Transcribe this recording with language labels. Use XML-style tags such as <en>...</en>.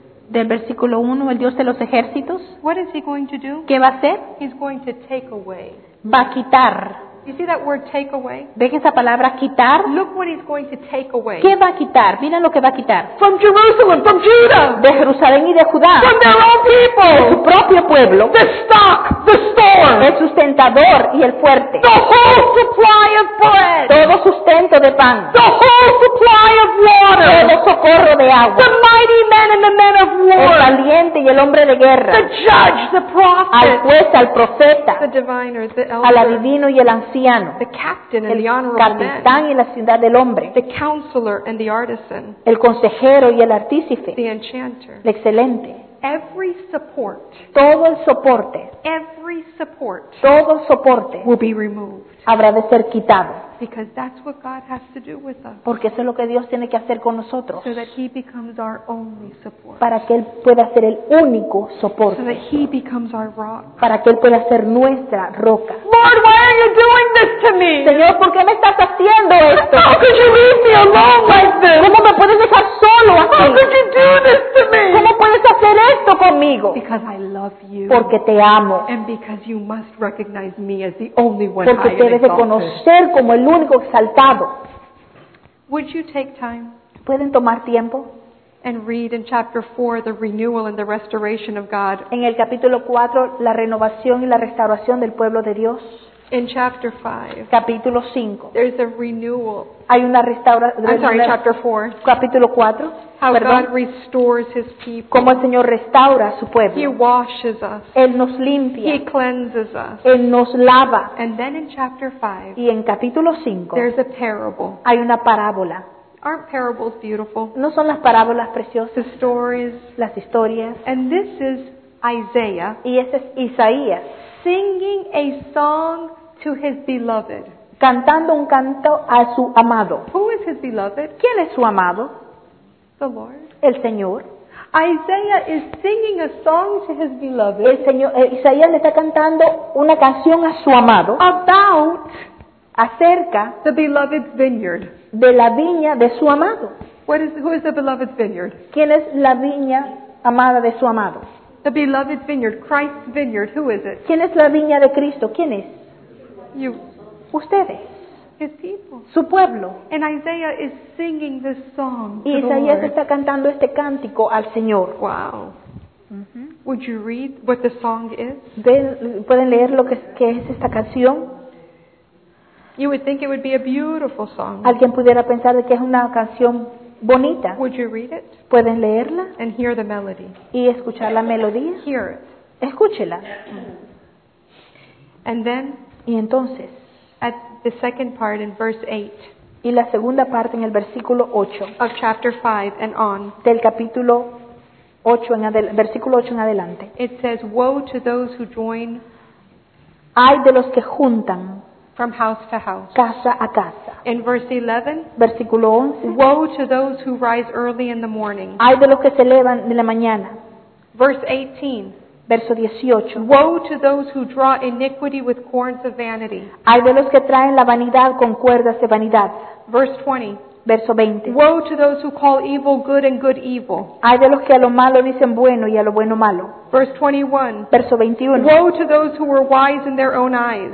<es>Del versículo 1, el Dios de los ejércitos.</es> <en>What is he going to do?</en> <es>¿Qué va a hacer?</es> <en>He's going to take away.</en> <es>Va a quitar.</es> <en>You see that word take away?</en> <es>¿Ven esa palabra quitar?</es> <en>Look what he's going to take away.</en> <es>¿Qué va a quitar? Mira lo que va a quitar.</es> <en>From Jerusalem, from Judah.</en> <es>De Jerusalén y de Judá.</es> <en>From their own people.</en> <es>De su propio pueblo.</es> <en>The stock, the store.</en> <es>El sustentador y el fuerte.</es> <en>The whole supply of bread.</en> <es>Todo sustento de pan.</es> <en>The whole supply of water.</en> <es>Todo socorro de agua.</es> <en>The mighty man and the man of war.</en> <es>El valiente y el hombre de guerra.</es> <en>The judge, the prophet.</en> <es>Al juez, al profeta.</es> <en>The diviner, the elder.</en> <es>Al adivino y el anciano.</es> <en>The captain and the honorable</en> <es>man. El capitán y la ciudad del hombre.</es> <en>The counselor and the artisan.</en> <es>El consejero y el artífice.</es> <en>The enchanter.</en> <es>El excelente.</es> <en>Every support.</en> <es>Todo el soporte.</es> <en>Every support.</en> <es>Todo el soporte.</es> <en>Will be removed.</en> <es>Habrá de ser quitado.</es> <en>Because that's what God has to do with us.</en> <es>Porque eso es lo que Dios tiene que hacer con nosotros.</es> <en>So that he becomes our only support.</en> <es>Para que él pueda ser el único soporte.</es> <en>So that he becomes our rock.</en> <es>Para que él pueda ser nuestra roca.</es> <en>Lord, why are you doing this to me?</en> <es>Señor, ¿por qué me estás haciendo esto?</es> <en>How could you leave me alone like this?</en> <es>¿Cómo me puedes dejar solo así?</es> <en>How could you do this to me?</en> <es>¿Cómo puedes hacer esto conmigo?</es> <en>Because I love you.</en> <es>Porque te amo.</es> <en>And because you must recognize me as the only one.</en> <es>Porque debes de conocer como el único exaltado.</es> <en>Would you take time?</en> <es>¿Pueden tomar tiempo?</es> <en>And read in chapter 4 the renewal and the restoration of God.</en> <es>En el capítulo 4 la renovación y la restauración del pueblo de Dios.</es> <en>In chapter 5.</en> <es>Capítulo 5.</es> <en>There's a renewal.</en> <es>Hay una restauración.</es> <en>I'm sorry, chapter 4.</en> <es>Capítulo 4.</es> <en>How</en> <es>perdón.</es> <en>God restores his people.</en> <es>Como el Señor restaura a su pueblo.</es> <en>He washes us.</en> <es>Él nos limpia.</es> <en>He cleanses us.</en> <es>Él nos lava.</es> <en>And then in chapter 5.</en> <es>Y en capítulo 5.</es> <en>There's a parable.</en> <es>Hay una parábola.</es> <en>Aren't parables beautiful?</en> <es>¿No son las parábolas preciosas?</es> <en>The stories.</en> <es>Las historias.</es> <en>And this is Isaiah.</en> <es>Y ese es Isaías.</es> <en>Singing a song to his beloved.</en> <es>Cantando un canto a su amado.</es> <en>Who is his beloved?</en> <es>¿Quién es su amado?</es> <en>The Lord.</en> <es>El Señor.</es> <en>Isaiah is singing a song to his beloved.</en> <es>El Señor, Isaías le está cantando una canción a su amado.</es> <en>About</en> <es>acerca</es> <en>the beloved's vineyard.</en> <es>De la viña de su amado.</es> <en>What is, who is the beloved's vineyard?</en> <es>¿Quién es la viña amada de su amado?</es> <en>The beloved vineyard, Christ's vineyard, who is it?</en> <es>¿Quién es la viña de Cristo? ¿Quién es?</es> <en>You.</en> <es>Ustedes.</es> <en>His people.</en> <es>Su pueblo.</es> <en>And Isaiah is singing this song to the Lord.</en> <es>Y Isaías está cantando este cántico al Señor.</es> <en>Wow. Mm-hmm. Would you read what the song is?</en> <es>¿Pueden leer lo que es esta canción?</es> <en>You would think it would be a beautiful song.</en> <es>Alguien pudiera pensar de que es una canción bonita.</es> <en>Would you read it?</en> <es>¿Pueden leerla?</es> <en>And hear the melody.</en> <es>¿Y escuchar la melodía?</es> <en>Hear it.</en> <es>Escúchela.</es> <en>And then,</en> <es>y entonces,</es> <en>at the second part in verse 8.</en> <es>Y la segunda parte en el versículo 8.</es> <en>Of chapter 5 and on.</en> <es>Del capítulo 8 en adelante, versículo 8 en adelante.</es> <en>It says, woe to those who join.</en> <es>Ay de los que juntan.</es> <en>From house to house.</en> <es>Casa a casa.</es> <en>In verse 11.</en> <es>Versículo 11.</es> <en>Woe to those who rise early in the morning.</en> <es>Ay de los que se levantan de la mañana.</es> <en>Verse 18.</en> <es>Verso 18.</es> <en>Woe to those who draw iniquity with cords of vanity.</en> <es>Ay de los que traen la vanidad con cuerdas de vanidad.</es> <en>Verse 20.</en> <es>Verso 20.</es> <en>Woe to those who call evil good and good evil.</en> <es>Ay de los que a lo malo dicen bueno y a lo bueno malo.</es> <en>Verse 21.</en> <es>Verso 21.</es> <en>Woe to those who were wise in their own eyes.</en>